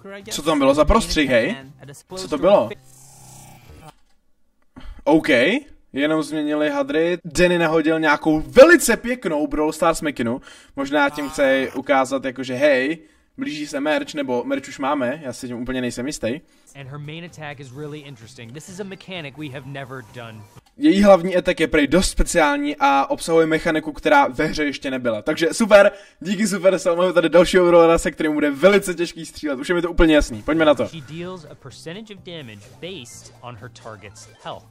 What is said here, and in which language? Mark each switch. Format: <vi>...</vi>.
<cs>Co to tam bylo za prostřih, hej? Co to bylo? OK, jenom změnili hadry. Danny nahodil nějakou velice pěknou Brawl Stars mikinu. Možná tím chce ukázat, jakože hej, blíží se merch, nebo merch už máme, já si tím úplně nejsem jistý.</cs> <en>And her main attack is really interesting. This is a mechanic we have never done.</en> <cs>Její hlavní attack je prej dost speciální a obsahuje mechaniku, která ve hře ještě nebyla. Takže super, díky super, se máme tady dalšího brawlera, se kterým bude velice těžký střílet. Už je mi to úplně jasný. Pojďme na to.</cs> <en>She deals a percentage of damage based on her target's health.</en>